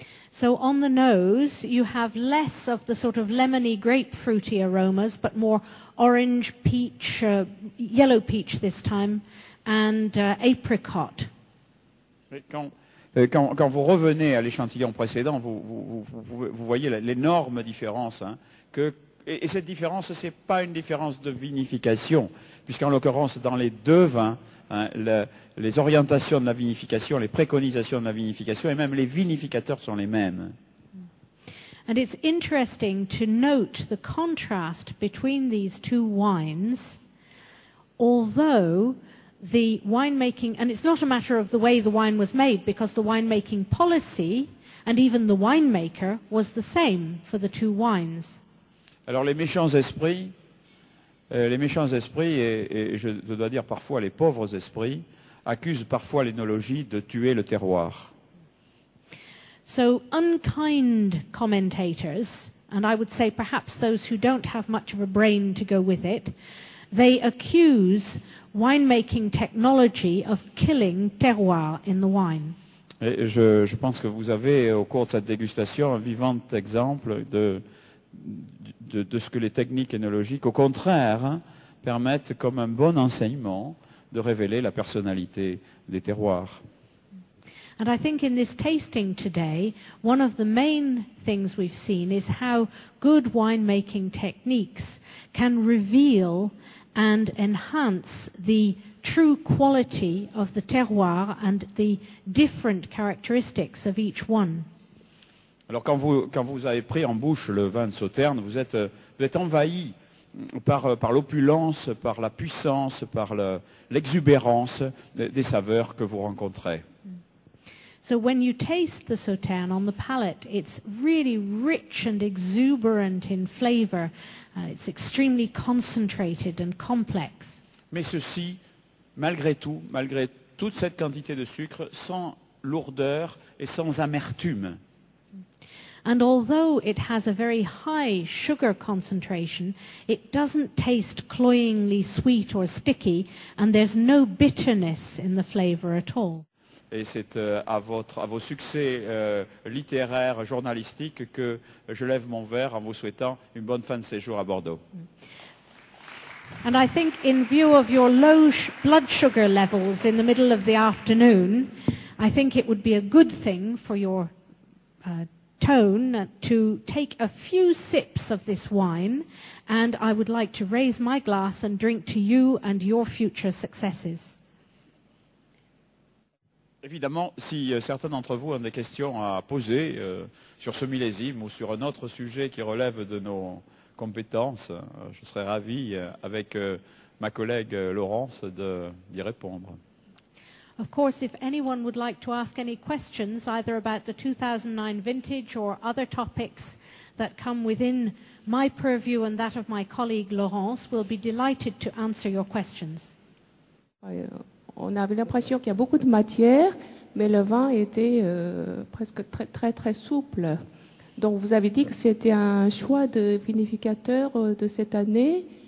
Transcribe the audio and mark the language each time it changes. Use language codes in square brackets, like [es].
[en] So on the nose, you have less of the sort of lemony, grapefruity aromas, but more orange, peach, yellow peach this time. And apricot. [fr] Quand vous revenez à l'échantillon précédent, vous voyez l'énorme différence. Hein, et cette différence, ce n'est pas une différence de vinification, puisqu'en l'occurrence, dans les deux vins, hein, les orientations de la vinification, les préconisations de la vinification, et même les vinificateurs sont les mêmes. [en] And it's interesting to note the contrast between these two wines, although the winemaking, and it's not a matter of the way the wine was made, because the winemaking policy and even the winemaker was the same for the two wines. [fr] Alors les méchants esprits, et je dois dire parfois les pauvres esprits, accusent parfois l'œnologie de tuer le terroir. [en] So unkind commentators, and I would say perhaps those who don't have much of a brain to go with it, they accuse winemaking technology of killing terroir in the wine. [fr] Et je pense que vous avez au cours de cette dégustation un vivant exemple de ce que les techniques œnologiques, au contraire, hein, permettent comme un bon enseignement de révéler la personnalité des terroirs. [en] And I think in this tasting today, one of the main things we've seen is how good winemaking techniques can reveal and enhance the true quality of the terroir and the different characteristics of each one. [fr] Alors quand vous avez pris en bouche le vin de Sauternes, vous êtes envahi par l'opulence, par la puissance, par l'exubérance des saveurs que vous rencontrez. [en] So when you taste the Sauternes on the palate, it's really rich and exuberant in flavor. It's extremely concentrated and complex. [fr] Mais ceci, malgré toute cette quantité de sucre, sans lourdeur et sans amertume. [en] And although it has a very high sugar concentration, it doesn't taste cloyingly sweet or sticky, and there's no bitterness in the flavor at all. [fr] Et c'est à vos succès littéraires, journalistiques, que je lève mon verre en vous souhaitant une bonne fin de séjour à Bordeaux. [en] And I think in view of your low blood sugar levels in the middle of the afternoon, I think it would be a good thing for your tone to take a few sips of this wine, and I would like to raise my glass and drink to you and your future successes. [fr] Évidemment, si certains d'entre vous ont des questions à poser sur ce millésime ou sur un autre sujet qui relève de nos compétences, je serais ravi, avec ma collègue Laurence, d'y répondre. [en] Of course, if anyone would like to ask any questions, either about the 2009 vintage or other topics that come within my purview and that of my colleague Laurence, we'll be delighted to answer your questions. [fr] On avait l'impression qu'il y a beaucoup de matière, mais le vin était presque très, très, très souple. Donc vous avez dit que c'était un choix de vinificateur de cette année.